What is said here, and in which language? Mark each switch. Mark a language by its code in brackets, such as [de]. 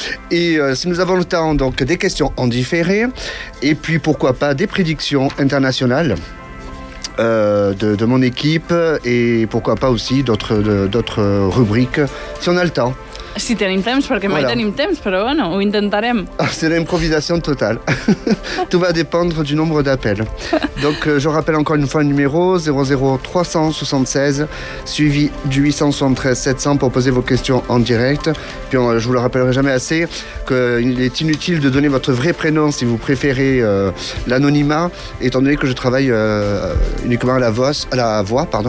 [fr] Et si nous avons le temps, donc des questions en différé. Et puis pourquoi pas des prédictions internationales de mon équipe. Et pourquoi pas aussi d'autres rubriques, si on a le temps. [ca] Si tenim temps, perquè mai tenim temps, però bueno, ho intentarem. [fr] C'est la improvisation totale. Tout va dépendre du nombre d'appels. Donc, je rappelle encore une fois le numéro 00376, suivi du 873-700 pour poser vos questions en direct. Puis, je vous le rappellerai jamais assez, qu'il est inutile de donner votre vrai prénom si vous préférez l'anonymat, étant donné que je travaille uniquement à la voix.